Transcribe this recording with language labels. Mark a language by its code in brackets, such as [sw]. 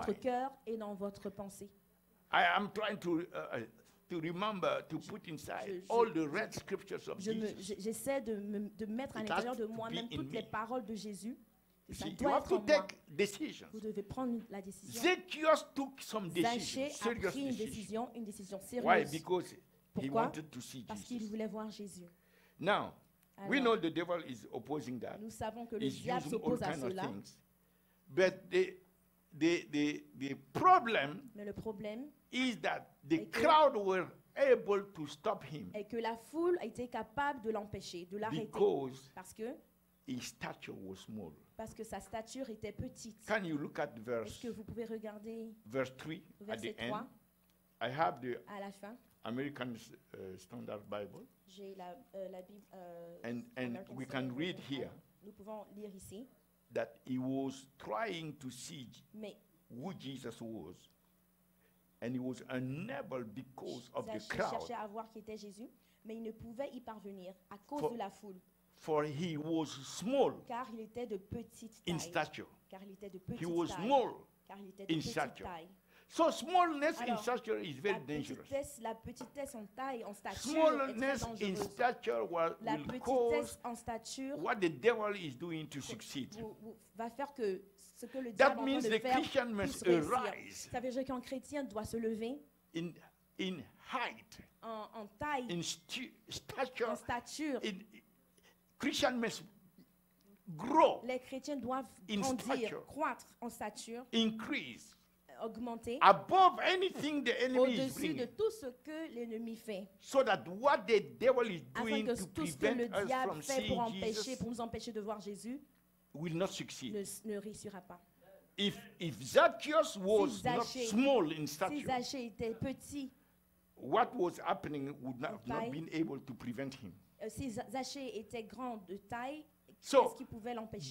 [fr] votre cœur et dans votre pensée. [en] I am trying to to remember to put inside all the red scriptures of Jesus. [fr] J'essaie de mettre à l'intérieur de moi-même toutes les paroles de Jésus. [en] You have to take decisions. [fr] Vous devez prendre la décision. [en] Zacchaeus took some decisions. [fr] Zachée a pris une décision sérieuse. [en] Why? Because he wanted to see Jesus. [fr] Parce qu'il voulait voir Jésus. [en] Now, alors, we know the devil is opposing that. [fr] Nous savons que le diable s'oppose à cela. [en] But the problem [fr] mais le problème [en] is that the crowd were able to stop him. [fr] Et que la foule a été capable de l'empêcher, de l'arrêter. [en] Because [fr] parce que [en] his stature was small. [fr] Parce que sa stature était petite. [en] Can you look at verse? [fr] Est-ce que vous pouvez regarder [en] verse 3 at the [fr] 3. [en] End? I have the [fr] à la fin. [en] American Standard Bible. [fr] J'ai la la Bible. [en] And American we can read here. [fr] Nous pouvons lire ici. [en] That he was trying to see who Jesus was. And he was unable because of the crowd. [fr] Il cherchait à voir qui était Jésus, mais il ne pouvait y parvenir à cause de la foule. [en] For he was small. [fr] Car il était de petite [en] taille. In stature. [fr] Car il était de petite [en] taille. He was small. [fr] Car il était de petite stature. Taille. [en] So smallness in stature is very dangerous. [fr] La petitesse en taille, en stature, [en] smallness in stature will cause [fr] en stature [en] what the devil is doing to succeed. [fr] Va faire que ce que le [en] that means the Christian must arise. [fr] Ça veut dire qu'un chrétien doit se lever. [en] In height. [fr] En taille. [en] In stature. [fr] En stature. [en] Christian must grow. [fr] Les chrétiens doivent grandir, croître en stature. [en] Increase. [fr] Augmenter [en] above anything the enemy [fr] au-dessus [en] is bringing, [fr] de tout ce que l'ennemi fait. [en] So that what the devil is doing [fr] afin que [en] to [fr] tout ce que le diable [en] us [fr] fait pour, empêcher, [en] Jesus, [fr] pour nous empêcher de voir Jésus [en] will not succeed. [fr] Ne réussira pas. [en] If Zacchaeus was [fr] si Zacchaeus, [en] not small in stature, [fr] si Zacchaeus était petit, [en] what was happening would not have not been able to prevent him. [fr] Si Zacchaeus était grand de taille, [en] so, [fr] qu'est-ce qui pouvait l'empêcher?